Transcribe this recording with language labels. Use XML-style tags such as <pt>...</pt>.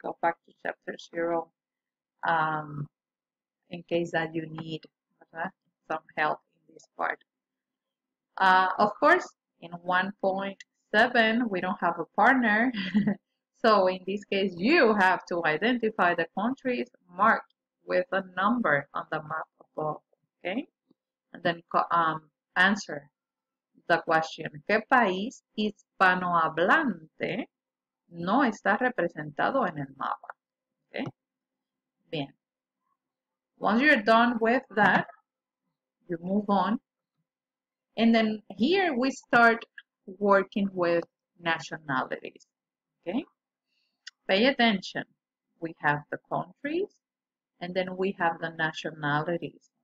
<en>Go back to chapter 0 in case that you need some help in this part. Of course, in 1.7 we don't have a partner, so in this case you have to identify the countries marked with a number on the map above. Okay, and then answer the question.</en> <es>¿Qué país hispanohablante no está representado en el mapa?</es> <en>Okay. Bien. Once you're done with that, you move on. And then here we start working with nationalities. Okay. Pay attention. We have the countries, and then we have the nationalities.</en>